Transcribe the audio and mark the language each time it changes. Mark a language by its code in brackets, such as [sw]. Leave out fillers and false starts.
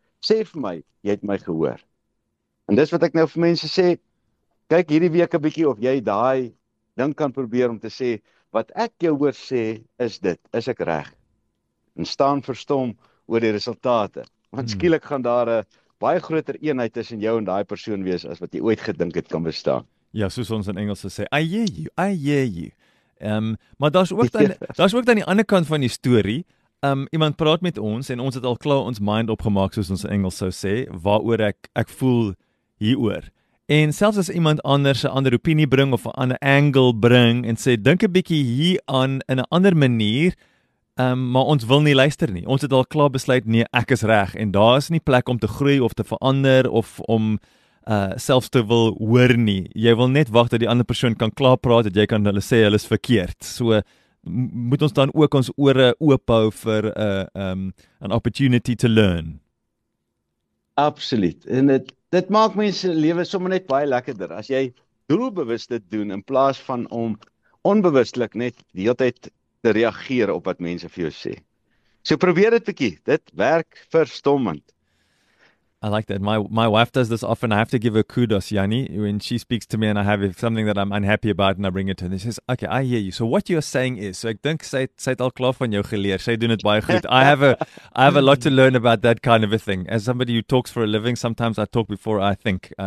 [af] Sê vir my, jy het my gehoor. En dis wat ek nou vir mense sê, kyk hierdie week 'n bietjie of jy daai ding kan probeer om te sê, wat ek jou hoor sê, is dit, is ek reg. En staan verstom oor die resultate. Want skielik gaan daar 'n baie groter eenheid tussen jou en daai persoon wees as wat jy ooit gedink het kan bestaan. Ja, soos ons in Engels sê, [en] I hear you, I hear you. [af] Maar daar's ook dan die ander kant van die storie. Iemand praat met ons en ons het al klaar ons mind opgemaak, soos ons in Engels sou sê, waaroor ek voel hieroor. En selfs as iemand anders 'n ander opinie bring of 'n ander angle bring en sê, dink 'n bietjie hieraan in 'n ander manier, maar ons wil nie luister nie. Ons het al klaar besluit, nee, ek is reg. En daar is nie plek om te groei of te verander of om selfs te wil hoor nie. Jy wil net wag dat die ander persoon kan klaar praat, dat jy kan hulle sê, hulle is verkeerd. So moet ons dan ook ons ore oop hou vir [en] an opportunity to learn. [af] Absoluut. En dit maak mense lewe sommer net baie lekkerder. As jy doelbewus dit doen, in plaas van om onbewuslik net die hele tyd te reageer op wat mense vir jou sê. So probeer dit bietjie. Dit werk verstommend. [en] I like that. My wife does this often. I have to give her kudos, Yanni, when she speaks to me and I have something that I'm unhappy about and I bring it to her. And she says, "Okay, I hear you. So what you're saying is, [af] so ek dink sy het al klaar van jou geleer. Sy doen dit baie goed. [en] I have a lot to learn about that kind of a thing. As somebody who talks for a living, sometimes I talk before I think.